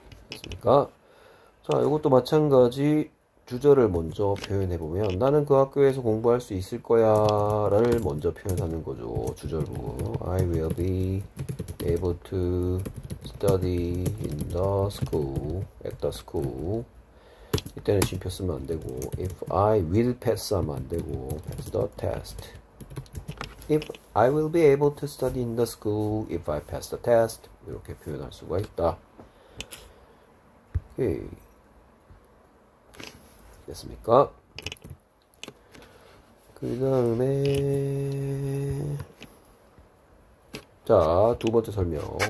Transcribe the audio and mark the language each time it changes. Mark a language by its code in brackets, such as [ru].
[ko] 됐습니까? 자, 이것도 마찬가지. 주절을 먼저 표현해 보면 나는 그 학교에서 공부할 수 있을 거야를 먼저 표현하는 거죠. 주절 부분. [en] I will be able to study in the school, at the school. [ko] 이때는 쉼표 쓰면 안 되고 [en] if I will pass [ko] 하면 안 되고 [en] pass the test. If I will be able to study in the school if I pass the test. [ko] 이렇게 표현할 수가 있다. 오케이. 됐습니까? 그 다음에 자, 두 번째 설명.